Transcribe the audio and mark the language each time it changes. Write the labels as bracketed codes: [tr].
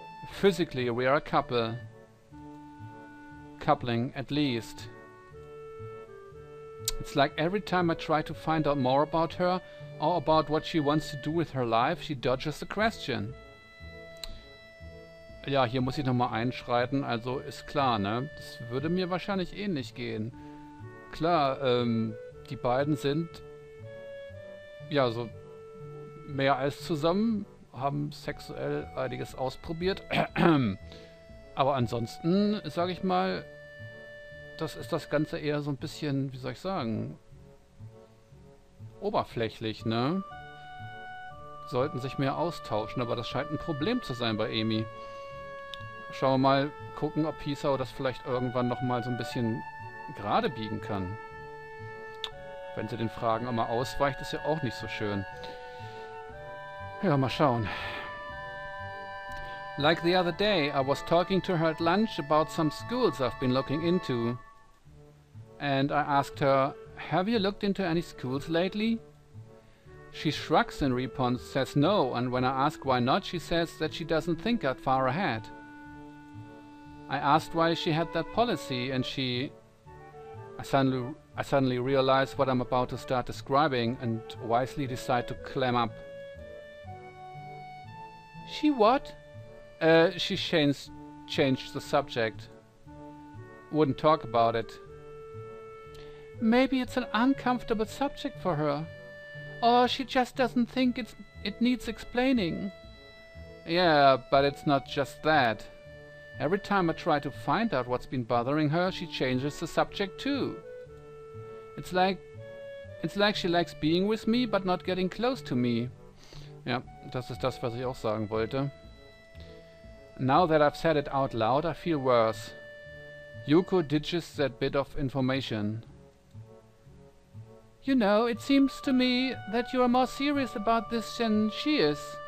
[en] Physically, we are a couple. Coupling, at least. It's like every time I try to find out more about her, or about what she wants to do with her life, she dodges the question. [de] Ja, hier muss ich nochmal einschreiten, also ist klar, ne? Das würde mir wahrscheinlich ähnlich gehen. Klar, die beiden sind, ja, so mehr als zusammen, haben sexuell einiges ausprobiert. Aber ansonsten, sag ich mal, das ist das Ganze eher so ein bisschen, wie soll ich sagen, oberflächlich, ne? Sollten sich mehr austauschen, aber das scheint ein Problem zu sein bei Amy. Schauen wir mal, gucken, ob Pisao das vielleicht irgendwann nochmal so ein bisschen gerade biegen kann. Wenn sie den Fragen immer ausweicht, ist ja auch nicht so schön. Ja, mal schauen. [en] Like the other day, I was talking to her at lunch about some schools I've been looking into. And I asked her, have you looked into any schools lately? She shrugs in response, says no, and when I ask why not, she says that she doesn't think that far ahead. I asked why she had that policy, and she... I suddenly realize what I'm about to start describing, and wisely decide to clam up. She what? She changed the subject. Wouldn't talk about it. Maybe it's an uncomfortable subject for her. Or she just doesn't think it needs explaining. Yeah, but it's not just that. Every time I try to find out what's been bothering her, she changes the subject too. It's like she likes being with me, but not getting close to me. [de] Ja, das ist das, was ich auch sagen wollte. [en] Now that I've said it out loud, I feel worse. Yuko ditches that bit of information. You know, it seems to me that you are more serious about this than she is.